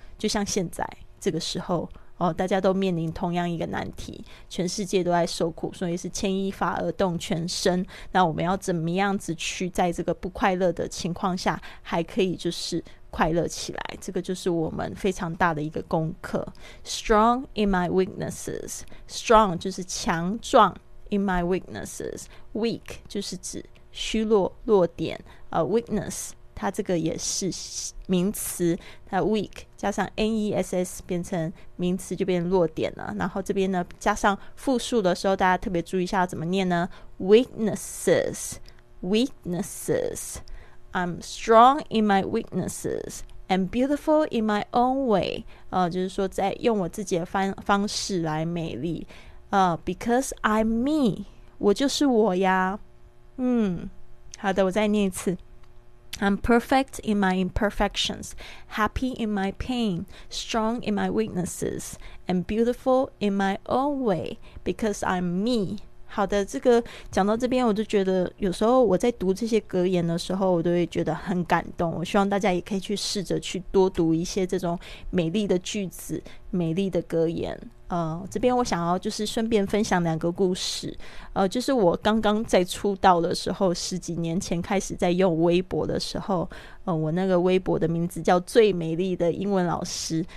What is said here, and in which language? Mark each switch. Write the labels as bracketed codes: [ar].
[zh] 就像现在这个时候哦，大家都面临同样一个难题，全世界都在受苦，所以是牵一发而动全身。那我们要怎么样子去在这个不快乐的情况下还可以就是快乐起来，这个就是我们非常大的一个功课。 [en] Strong in my weaknesses， Strong [zh] 就是强壮， [en] In my weaknesses， Weak [zh] 就是指虚弱弱点。 Weakness 它这个也是名词，它 weak 加上 ness 变成名词就变弱点了。然后这边呢加上复数的时候，大家特别注意一下怎么念呢？ [en] Weaknesses， Weaknesses。 I'm strong in my weaknesses and beautiful in my own way， [zh] 就是说在用我自己的 方式来美丽。 [en] Because I'm me， [zh] 我就是我呀。好的，我再念一次。 [en] I'm perfect in my imperfections， happy in my pain， strong in my weaknesses and beautiful in my own way because I'm me。 [zh] 好的，这个讲到这边我就觉得有时候我在读这些格言的时候我都会觉得很感动。我希望大家也可以去试着去多读一些这种美丽的句子、美丽的格言。这边我想要就是顺便分享两个故事。就是我刚刚在出道的时候，十几年前开始在用微博的时候，我那个微博的名字叫最美丽的英文老师。